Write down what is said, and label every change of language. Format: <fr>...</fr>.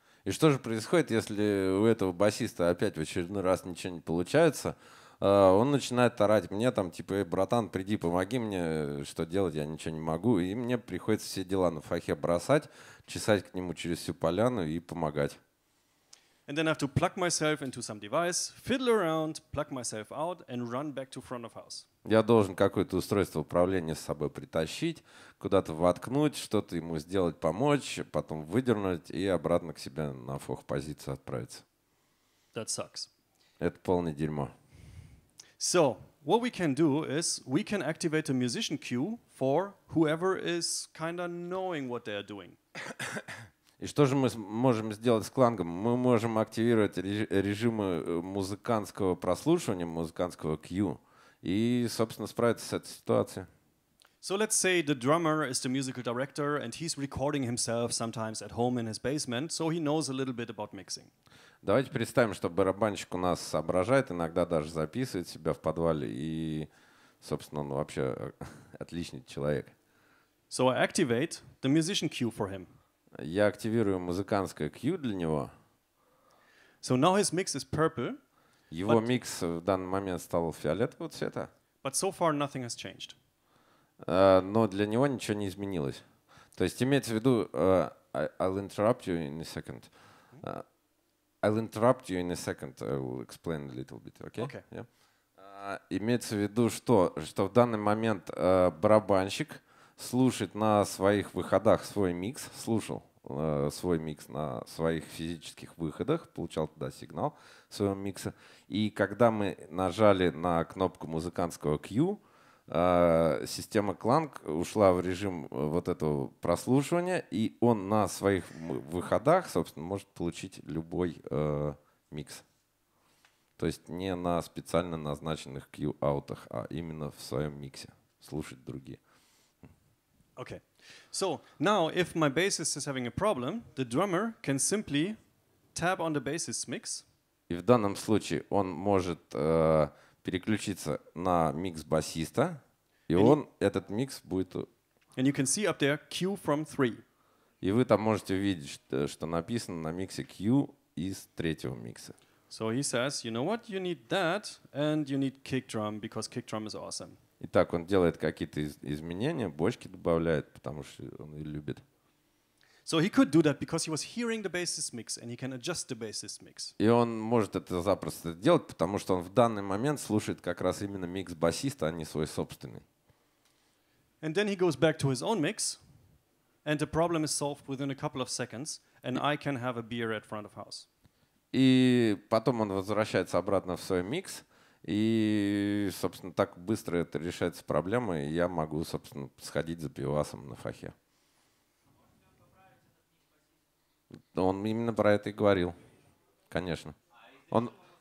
<ru>И что же происходит, если у этого басиста опять в очередной раз ничего не получается? Он начинает орать мне там, типа, «Эй, братан, приди, помоги мне, что делать, я ничего не могу». И мне приходится все дела на фахе бросать, чесать к нему через всю поляну и помогать. Я должен какое-то устройство управления с собой притащить, куда-то воткнуть, что-то ему сделать, помочь, потом выдернуть и обратно к себе на фох-позицию отправиться.</ru> <en>That sucks.</en> <ru>Это полное дерьмо.</ru> <en>So, what we can do is we can activate a musician cue for whoever is kind of knowing what they are doing.</en> <ru>И что же мы можем сделать с клангом? Мы можем активировать режимы музыкантского прослушивания, музыкантского cue, и, собственно, справиться с этой ситуацией.</ru> <en>So let's say the drummer is the musical director and he's recording himself sometimes at home in his basement, so he knows a little bit about mixing.</en> <ru>Давайте представим, что барабанщик у нас соображает, иногда даже записывает себя в подвале, и, собственно, он вообще отличный человек.</ru> <en>So I activate the musician cue for him.</en> <ru>Я активирую музыкантское cue для него.</ru> <en>So now his mix is purple.</en> <ru>Его микс в данный момент стал фиолетового цвета.</ru> <en>But so far nothing has changed.</en> <ru>Но для него ничего не изменилось. То есть имеется в виду...</ru> <en>I'll interrupt you in a second. I'll interrupt you in a second. I will explain a little bit. Okay? Okay. Yeah.</en> <ru>Имеется в виду, что в данный момент барабанщик слушает на своих выходах свой микс, слушал свой микс на своих физических выходах, получал туда сигнал своего микса. И когда мы нажали на кнопку музыкантского cue, система KLANG ушла в режим вот этого прослушивания, и он на своих выходах, собственно, может получить любой микс. То есть не на специально назначенных Q-аутах, а именно в своем миксе слушать другие.</ru> <en>Okay. So now, if my bassist is having a problem, the drummer can simply tap on the bassist's mix.</en> <ru>И в данном случае он может переключиться на микс басиста, и он, этот микс будет...</ru> <en>And you can see up there Q from 3.</en> <ru>И вы там можете увидеть, что написано на миксе Q из третьего микса.</ru> <en>So he says, you know what, you need that, and you need kick drum, because kick drum is awesome.</en> <ru>Итак, он делает какие-то изменения, бочки добавляет, потому что он ее любит.</ru> <en>So he could do that because he was hearing the bassist mix and he can adjust the bassist mix.</en> <ru>И он может это запросто делать, потому что он в данный момент слушает как раз именно микс басиста, а не свой собственный.</ru> <en>And then he goes back to his own mix and the problem is solved within a couple of seconds and I can have a beer at front of house.</en> <ru>И потом он возвращается обратно в свой микс, и, собственно, так быстро это решается проблема, и я могу, собственно, сходить за пивасом на фахе. Он именно про это и говорил, конечно. Он...</ru>